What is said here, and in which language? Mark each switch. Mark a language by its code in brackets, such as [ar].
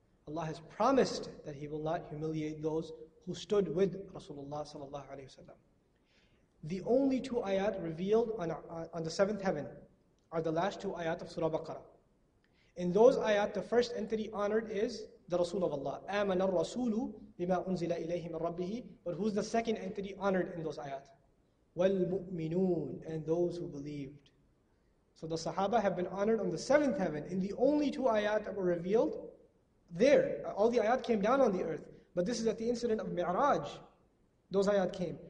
[en] Allah has promised that He will not humiliate those who stood with Rasulullah sallallahu alaihi wasallam. The only two ayat revealed on the seventh heaven are the last two ayat of Surah Baqarah. In those ayat, the first entity honored is the Rasul of Allah. [ar] آمن الرسول بما أنزل إليه من ربه. [en] But who's the second entity honored in those ayat? والمؤمنون, and those who believed. So the Sahaba have been honored on the seventh heaven in the only two ayat that were revealed there. All the ayat came down on the earth. But this is at the incident of Mi'raj. Those ayat came.